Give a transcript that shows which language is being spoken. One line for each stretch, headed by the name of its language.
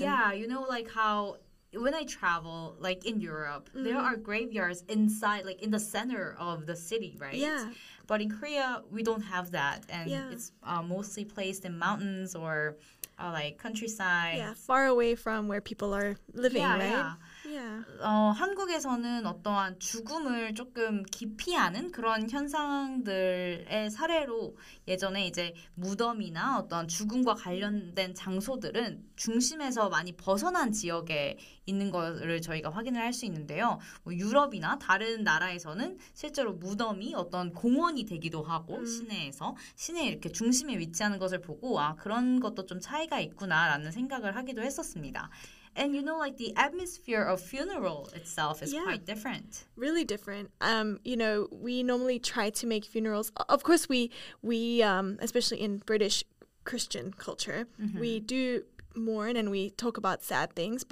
English: Yeah, you know, like how when I travel, like in Europe, there are graveyards inside, like in the center of the city, right? Yeah. But in Korea, we don't have that. And it's mostly placed in mountains or like countryside. Yeah, far away from where people are living, yeah, right? Yeah.
Korean: 한국에서는 어떠한 죽음을 조금 기피하는 그런 현상들의 사례로 예전에 이제 무덤이나 어떤 죽음과 관련된 장소들은 중심에서 많이 벗어난 지역에 있는 것을 저희가 확인을 할 수 있는데요. 뭐 유럽이나 다른 나라에서는 실제로 무덤이 어떤 공원이 되기도 하고 시내 이렇게 중심에 위치하는 것을 보고 아 그런 것도 좀 차이가 있구나라는 생각을 하기도 했었습니다.
English: And you know, like the atmosphere of funeral itself is quite different. Really different. You know, we normally try to make funerals. Of course, we especially in British Christian culture, we do mourn and we talk about sad things.